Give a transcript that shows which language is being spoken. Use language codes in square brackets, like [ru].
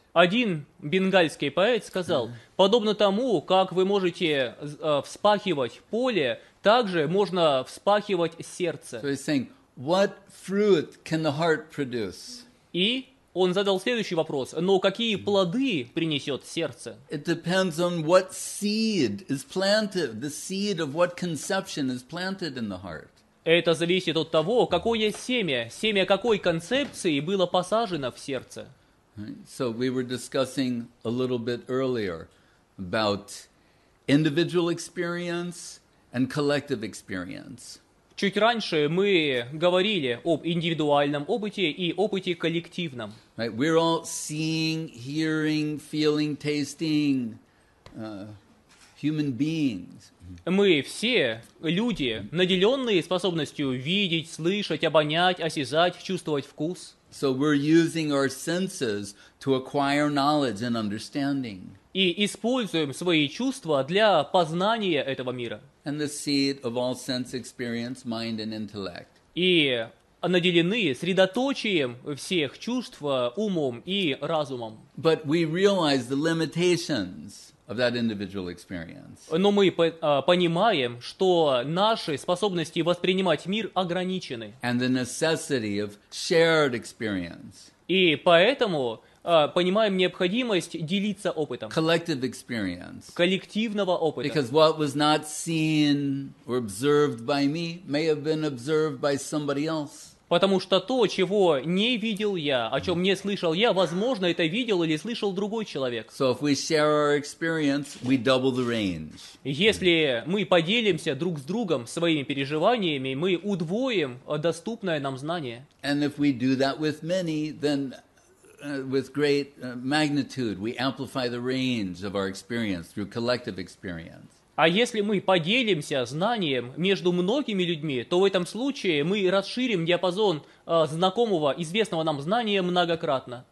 [ru] Один бенгальский поэт сказал, подобно тому, как вы можете вспахивать поле, также можно вспахивать сердце. [en] So he's saying, what fruit can the heart produce? [ru] И Он задал следующий вопрос: но какие плоды принесет сердце? [en] It depends on what seed is planted, the seed of what conception is planted in the heart. [ru] Это зависит от того, какое семя, семя какой концепции было посажено в сердце. [en] So we were discussing a little bit earlier about individual experience and collective experience. [ru] Чуть раньше мы говорили об индивидуальном опыте и опыте коллективном. [en] Right, we're all seeing, hearing, feeling, tasting human beings. [ru] Мы все люди, наделенные способностью видеть, слышать, обонять, осязать, чувствовать вкус. [en] So we're using our senses to acquire knowledge and understanding. [ru] И используем свои чувства для познания этого мира. [en] And the seed of all sense experience, mind and intellect. [ru] И наделены средоточием всех чувств, умом и разумом. [en] But we realize the limitations of that individual experience. [ru] Но мы понимаем, что наши способности воспринимать мир ограничены. [en] And the necessity of shared experience. [ru] И поэтому понимаем необходимость делиться опытом. [en] Collective experience. [ru] Коллективного опыта. [en] Because what was not seen or observed by me may have been observed by somebody else. [ru] Потому что то, чего не видел я, о чем не слышал я, возможно, это видел или слышал другой человек. [en] So if we share our experience, we double the range. [ru] Если мы поделимся друг с другом своими переживаниями, мы удвоим доступное нам знание. [en] And if we do that with many, then with great magnitude, we amplify the range of our experience through collective experience. [ru] А если мы поделимся знанием между многими людьми, то в этом случае мы расширим диапазон знакомого, известного нам знания многократно.